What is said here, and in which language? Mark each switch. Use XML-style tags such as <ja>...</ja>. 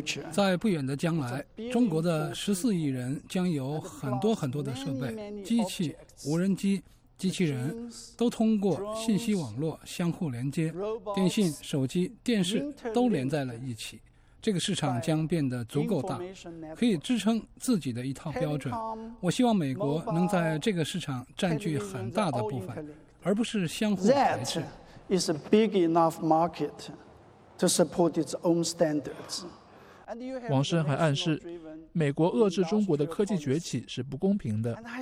<zh>在不远的将来，中国的14亿人将有很多很多的设备、机器、无人机、机器人都通过信息网络相互连接，电信、手机、电视都连在了一起。这个市场将变得足够大，可以支撑自己的一套标准。我希望美国能在这个市场占据很大的部分，而不是相互排斥。</zh> <en>Is a big enough market. To support its own standards.</en> <zh>王申还暗示，美国遏制中国的科技崛起是不公平的。</zh>